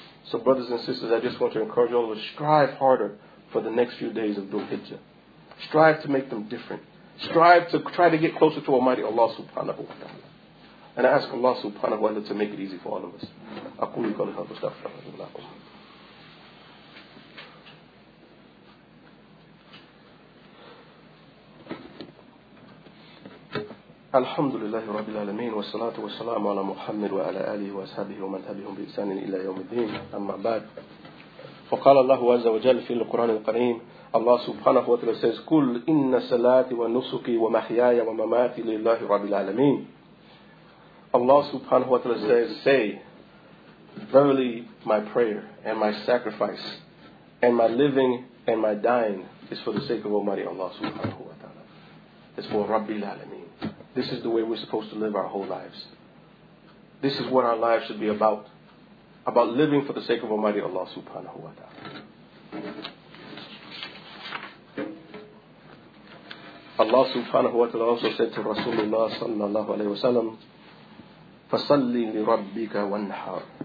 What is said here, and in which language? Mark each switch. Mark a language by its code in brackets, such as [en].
[en] So brothers and sisters, I just want to encourage all of us, strive harder for the next few days of Dhul-Hijjah. Strive to make them different. Strive to try to get closer to Almighty Allah subhanahu wa ta'ala. And I ask Allah subhanahu wa ta'ala to make it easy for all of us. [ar] أَقُولُ قَالِ هَلْ تُسْتَغْفِرَ لَهُ لَكُمْ الحمد لله رب العالمين والصلاة والسلام على محمد وعلى آله وأصحابه ومن تبعهم بإحسان إلى يوم الدين أما بعد فقال الله عز وجل في القرآن الكريم الله سبحانه وتعالى says قل إن صلاتي ونسكي ومحياي ومماتي لله رب العالمين [en] الله سبحانه وتعالى says say verily my prayer and my sacrifice and my living and my dying is for the sake of Almighty Allah سبحانه وتعالى it's for رب العالمين. This is the way we're supposed to live our whole lives. This is what our lives should be about. About living for the sake of Almighty Allah subhanahu wa ta'ala. Allah subhanahu wa ta'ala also said to Rasulullah sallallahu alayhi wa sallam, [ar] فَصَلِّ لِرَبِّكَ وَانْحَرْ.